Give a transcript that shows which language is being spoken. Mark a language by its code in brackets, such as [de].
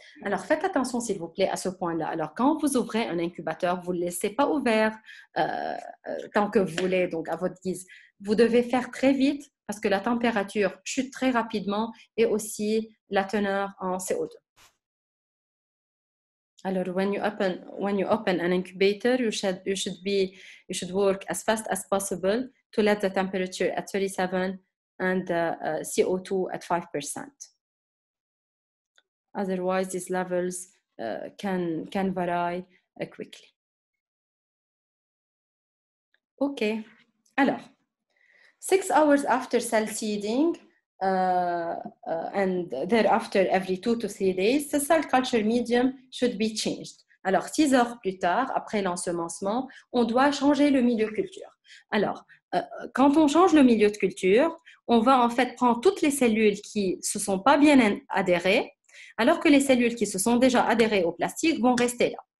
[fr] Alors faites attention s'il vous plaît à ce point-là. Alors quand vous ouvrez un incubateur, vous ne le laissez pas ouvert tant que vous voulez, donc à votre guise. Vous devez faire très vite parce que la température chute très rapidement et aussi la teneur en CO2. [en] Alors, when you open an incubator, you should work as fast as possible to let the temperature at 37 and the CO2 at 5%. Otherwise, these levels can vary quickly. Okay. Alors, 6 hours after cell seeding and thereafter every 2 to 3 days, the cell culture medium should be changed. [fr] Alors, 6 heures plus tard, après l'ensemencement, on doit changer le milieu culture. Alors, quand on change le milieu de culture, on va en fait prendre toutes les cellules qui ne se sont pas bien adhérées, alors que les cellules qui se sont déjà adhérées au plastique vont rester là.